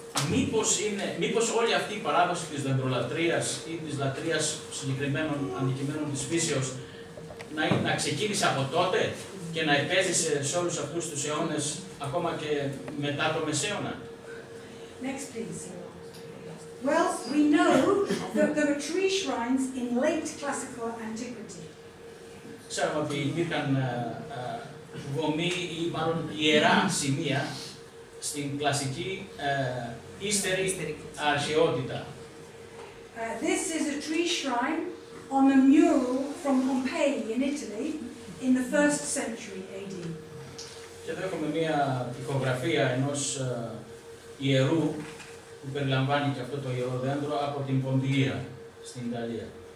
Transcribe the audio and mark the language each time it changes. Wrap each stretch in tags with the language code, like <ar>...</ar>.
<el>Μήπως είναι, μήπως όλη αυτή η παράδοση της δεντρολατρείας ή της λατρείας συγκεκριμένων αντικειμένων της φύσεως να ξεκίνησε από τότε και να επέζησε σε όλους αυτούς τους αιώνες ακόμα και μετά το Μεσαίωνα.</el> <en>Next please. Well, we know that there were tree shrines in late classical antiquity.</en> <el>Ξέρουμε ότι υπήρχαν γομή ή μάλλον ιερά σημεία στην κλασική</el> <en>This is a tree shrine on a mural from Pompeii in Italy in the 1st century AD.</en> <el>Και εδώ έχουμε μια τοιχογραφία ενός ιερού που περιλαμβάνει και αυτό το ιερό δέντρο από την Πομπεία στην Ιταλία.</el>